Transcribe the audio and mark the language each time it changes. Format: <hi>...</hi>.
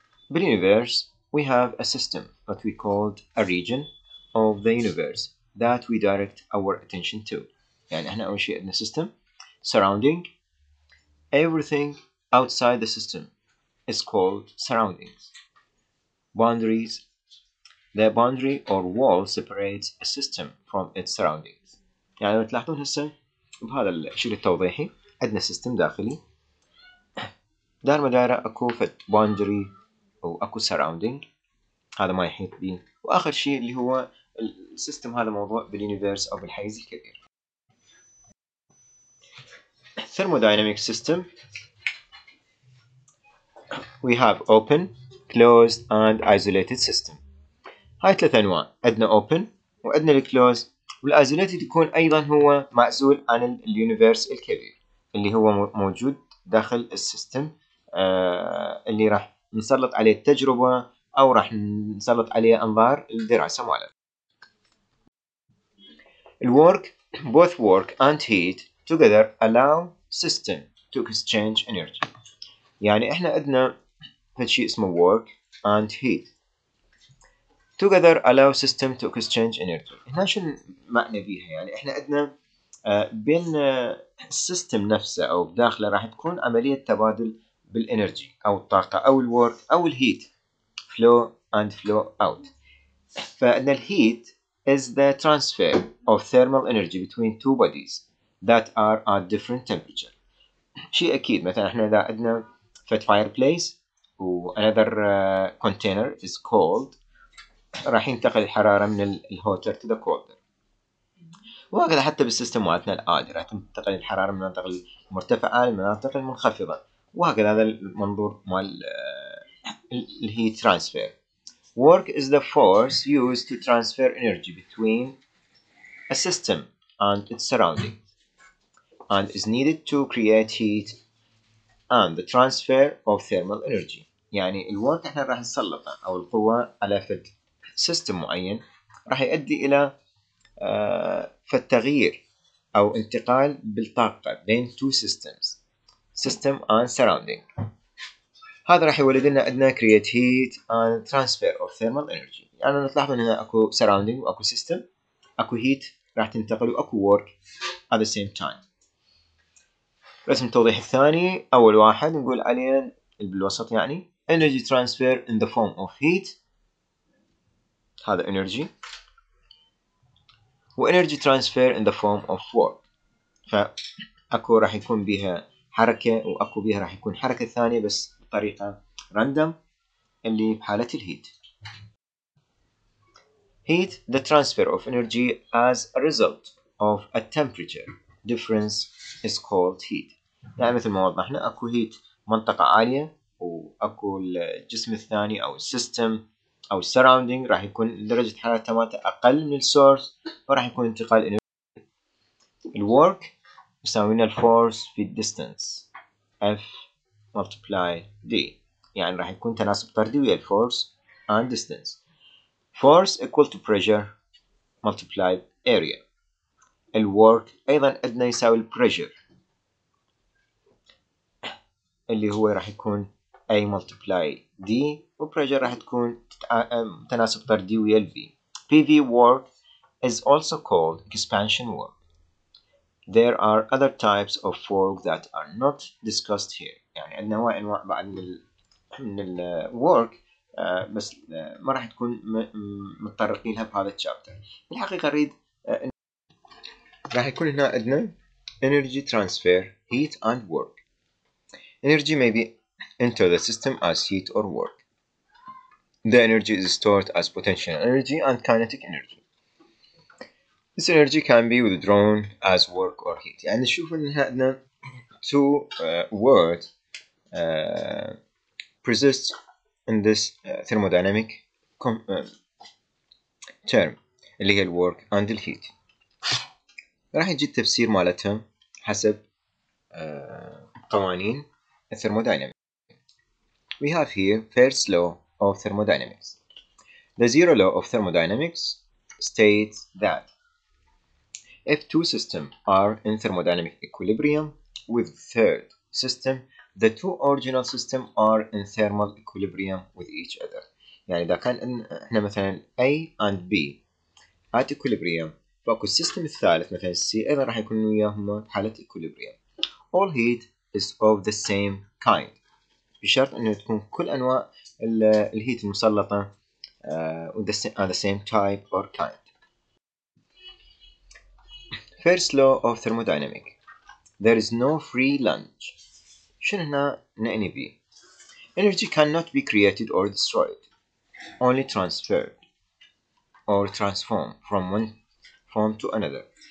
<en>In the universe, we have a system that we called a region of the universe that we direct our attention to.</en> <ar>يعني احنا اول شيء عندنا</ar> <en>system surrounding everything outside the system is called surroundings. Boundaries, the boundary or wall separates a system from its surroundings.</en> <ar>يعني لو تلاحظون هسه بهذا الشيء التوضيحي عندنا system داخلي دار مدايره اكو فت boundary او اكو surrounding هذا ما يحيط به واخر شيء اللي هو السيستم هذا موضوع باليونيفيرس او بالحيز الكبير.</ar> <en>Thermodynamic system we have open, closed and isolated system.</en> <ar>هاي ثلاث انواع عندنا open وعندنا الكلوز والايزوليتد يكون ايضا هو معزول عن اليونيفيرس الكبير اللي هو موجود داخل السيستم اللي راح نسلط عليه التجربه او راح نسلط عليه انظار الدراسه ماله.</ar> <en>Work, both work and heat together allow system to exchange energy.</en> <ar>يعني احنا عندنا هالشيء اسمه</ar> <en>work and heat. Together allow system to exchange energy.</en> <ar>هنا شو المعنى بيها؟ يعني احنا عندنا بين السيستم نفسه او بداخله راح تكون عملية تبادل بالانرجي او الطاقة او الwork او الheat.</ar> <en>Flow and flow out.</en> <ar>فعندنا</ar> <en>الheat is the transfer of thermal energy between two bodies that are at different temperature.</en> <ar>شيء أكيد مثلا احنا إذا عندنا فت fireplace و</ar> <en>another container is cold</en> <ar>راح ينتقل الحرارة من ال</ar> <en>hotter to the colder.</en> <ar>وهكذا حتى بالسيستم مالتنا العادي راح تنتقل الحرارة من المناطق المرتفعة للمناطق المنخفضة. وهكذا هذا المنظور مال ال heat transfer.</ar> <en>Work is the force used to transfer energy between a system and its surroundings and is needed to create heat and the transfer of thermal energy.</en> <ar>يعني الورك احنا راح نسلطه او القوة على فد سيستم معين راح يؤدي الى فالتغيير او انتقال بالطاقة بين</ar> <en>two systems, system and surrounding.</en> <ar>هذا راح يولد لنا عندنا</ar> <en>create heat and transfer of thermal energy.</en> <ar>يعني نلاحظ ان هنا اكو surrounding واكو system, اكو heat راح تنتقل واكو work</ar> <en>at the same time.</en> <ar>رسم التوضيح الثاني, اول واحد نقول عليه بالوسط يعني</ar> <en>energy transfer in the form of heat, هذا energy, و energy transfer in the form of work.</en> <ar>فاكو راح يكون بها حركة واكو بها راح يكون حركة ثانية بس طريقة random اللي بحالة الهيت.</ar> <en>heat, the transfer of energy as a result of a temperature difference is called heat.</en> <ar>يعني مثل ما وضحنا اكو heat منطقة عالية واكو الجسم الثاني او system او surrounding راح يكون درجة حرارة تماماته اقل من السورس وراح يكون انتقال الورك يساوينا الفورس في distance F multiply D يعني راح يكون تناسب طردي ويا الفورس and distance.</ar> <en>Force equal to pressure multiplied area.</en> <ar>ال work ايضا عندنا يساوي ال pressure اللي هو راح يكون A multiply D و pressure راح تكون تناسب طردي ويا ال V.</ar> <en>PV work is also called expansion work. There are other types of work that are not discussed here.</en> <ar>يعني عندنا نوع انواع بعد من ال work بس ما راح تكون متطرقين لها بهذا الشابتر. بالحقيقة اريد راح يكون هنا عندنا</ar> <en>energy transfer, heat and work. Energy may be into the system as heat or work. The energy is stored as potential energy and kinetic energy. This energy can be withdrawn as work or heat.</en> <ar>يعني نشوف ان عندنا</ar> <en>two words persist in this thermodynamic term</en> <ar>اللي هي</ar> <en>الwork and the heat.</en> <ar>راح يجي التفسير مالتهم حسب قوانين الثيرموداينامكس.</ar> <en>We have here first law of thermodynamics. The zero law of thermodynamics states that if two systems are in thermodynamic equilibrium with third system, the two original systems are in thermal equilibrium with each other.</en> <ar>يعني إذا كان إحنا مثلا</ar> <en>A and B at equilibrium,</en> <ar>فأكو السيستم الثالث مثلا C أيضا راح يكون وياهما في حالة equilibrium.</ar> <en>All heat is of the same kind.</en> <ar>بشرط إنه تكون كل أنواع الهيت المسلطة</ar> <en>on the same type or kind. First law of thermodynamics. There is no free lunch.</en> <ar>شنو هنا نعني بي؟</ar> <en>Energy cannot be created or destroyed, only transferred or transformed from one form to another.</en>